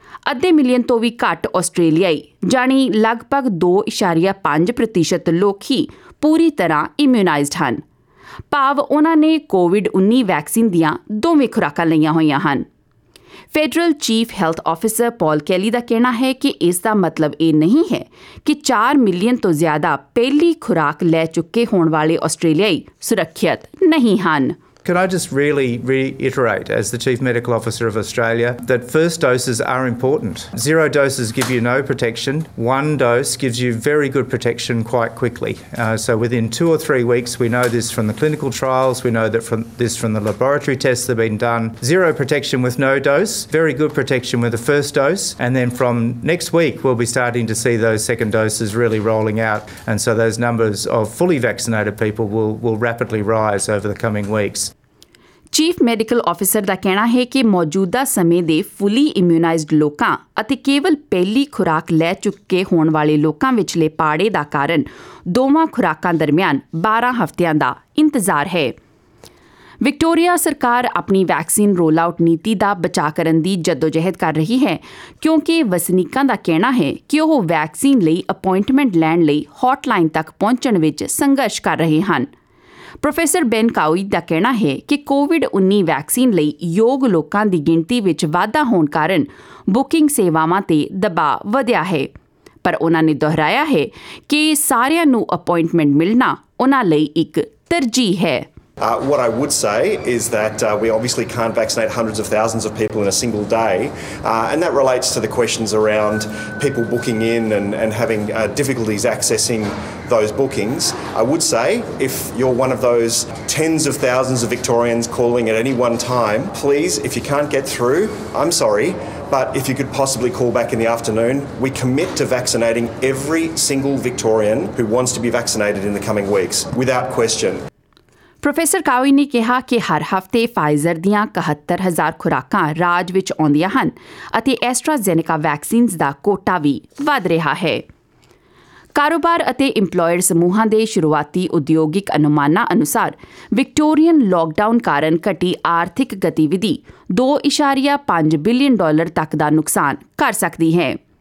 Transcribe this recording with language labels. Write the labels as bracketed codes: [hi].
[pa] 0.5 million ਤੋਂ ਵੀ ਘੱਟ ਆਸਟ੍ਰੇਲੀਆਈ ਜਾਣੀ ਲਗਭਗ 2.5% ਲੋਕ ਹੀ ਪੂਰੀ ਤਰ੍ਹਾਂ ਇਮਿਊਨਾਈਜ਼ਡ ਹਨ, ਭਾਵ ਉਨ੍ਹਾਂ ਨੇ ਕੋਵਿਡ-19 ਵੈਕਸੀਨ ਦੀਆਂ ਦੋਵੇਂ ਖੁਰਾਕਾਂ ਲਈਆਂ ਹੋਈਆਂ ਹਨ। ਫੈਡਰਲ ਚੀਫ ਹੈਲਥ ਆਫਿਸਰ ਪੌਲ ਕੈਲੀ ਦਾ ਕਹਿਣਾ ਹੈ ਕਿ ਇਸ ਦਾ ਮਤਲਬ ਇਹ ਨਹੀਂ ਹੈ ਕਿ 4 ਮਿਲੀਅਨ ਤੋਂ ਜ਼ਿਆਦਾ ਪਹਿਲੀ ਖੁਰਾਕ ਲੈ ਚੁੱਕੇ ਹੋਣ ਵਾਲੇ ਆਸਟ੍ਰੇਲੀਆਈ ਸੁਰੱਖਿਅਤ ਨਹੀਂ ਹਨ। [en] Can I just really reiterate, as the Chief Medical Officer of Australia, that first doses are important. 0 doses give you no protection. 1 dose gives you very good protection quite quickly. So within 2 or 3 weeks, we know this from the clinical trials, we know that from the laboratory tests that have been done. 0 protection with no dose, very good protection with the first dose. And then from next week, we'll be starting to see those second doses really rolling out. And so those numbers of fully vaccinated people will rapidly rise over the coming weeks. [pa] Chief medical officer ਦਾ ਕਹਿਣਾ ਹੈ ਕਿ ਮੌਜੂਦਾ ਸਮੇਂ ਦੇ ਫੁੱਲੀ ਇਮਿਊਨਾਈਜ਼ਡ ਲੋਕਾਂ ਅਤੇ ਕੇਵਲ ਪਹਿਲੀ ਖੁਰਾਕ ਲੈ ਚੁੱਕੇ ਹੋਣ ਵਾਲੇ ਲੋਕਾਂ ਵਿਚਲੇ ਪਾੜੇ ਦਾ ਕਾਰਨ ਦੋਵਾਂ ਖੁਰਾਕਾਂ ਦਰਮਿਆਨ 12 ਹਫ਼ਤਿਆਂ ਦਾ ਇੰਤਜ਼ਾਰ ਹੈ। ਵਿਕਟੋਰੀਆ ਸਰਕਾਰ ਆਪਣੀ ਵੈਕਸੀਨ ਰੋਲ ਆਊਟ ਨੀਤੀ ਦਾ ਬਚਾਅ ਕਰਨ ਦੀ ਜੱਦੋਜਹਿਦ ਕਰ ਰਹੀ ਹੈ ਕਿਉਂਕਿ ਵਸਨੀਕਾਂ ਦਾ ਕਹਿਣਾ ਹੈ ਕਿ ਉਹ ਵੈਕਸੀਨ ਲਈ ਅਪੁਆਇੰਟਮੈਂਟ ਲੈਣ ਲਈ ਹੌਟਲਾਈਨ ਤੱਕ ਪਹੁੰਚਣ ਵਿੱਚ ਸੰਘਰਸ਼ ਕਰ ਰਹੇ ਹਨ। ਪ੍ਰੋਫੈਸਰ ਬੈਨ ਕਾਉਈ ਦਾ ਕਹਿਣਾ ਹੈ ਕਿ ਕੋਵਿਡ-19 ਵੈਕਸੀਨ ਲਈ ਯੋਗ ਲੋਕਾਂ ਦੀ ਗਿਣਤੀ ਵਿੱਚ ਵਾਧਾ ਹੋਣ ਕਾਰਨ ਬੁਕਿੰਗ ਸੇਵਾਵਾਂ 'ਤੇ ਦਬਾਅ ਵਧਿਆ ਹੈ, ਪਰ ਉਹਨਾਂ ਨੇ ਦੁਹਰਾਇਆ ਹੈ ਕਿ ਸਾਰਿਆਂ ਨੂੰ ਅਪੁਆਇੰਟਮੈਂਟ ਮਿਲਣਾ ਉਹਨਾਂ ਲਈ ਇੱਕ ਤਰਜੀਹ ਹੈ। [en] What I would say is that we obviously can't vaccinate hundreds of thousands of people in a single day, and that relates to the questions around people booking in and having difficulties accessing those bookings. I would say if you're one of those tens of thousands of Victorians calling at any one time, please, if you can't get through, I'm sorry, but if you could possibly call back in the afternoon, we commit to vaccinating every single Victorian who wants to be vaccinated in the coming weeks, without question. [pa] Professor ਕਾਉਈ ਨੇ ਕਿਹਾ ਕਿ ਹਰ ਹਫ਼ਤੇ Pfizer ਦੀਆਂ 71,000 ਖੁਰਾਕਾਂ ਰਾਜ ਵਿੱਚ ਆਉਂਦੀਆਂ ਹਨ ਅਤੇ ਐਸਟ੍ਰਾਜ਼ੈਨਿਕਾ ਵੈਕਸੀਨਜ਼ ਦਾ ਕੋਟਾ ਵੀ ਵੱਧ ਰਿਹਾ ਹੈ। ਕਾਰੋਬਾਰ ਅਤੇ ਇੰਪਲੋਇਰ ਸਮੂਹਾਂ ਦੇ ਸ਼ੁਰੂਆਤੀ ਉਦਯੋਗਿਕ ਅਨੁਮਾਨਾਂ ਅਨੁਸਾਰ ਵਿਕਟੋਰੀਅਨ ਲੌਕਡਾਊਨ ਕਾਰਨ ਘਟੀ ਆਰਥਿਕ ਗਤੀਵਿਧੀ $2.5 billion ਤੱਕ ਦਾ ਨੁਕਸਾਨ ਕਰ ਸਕਦੀ ਹੈ।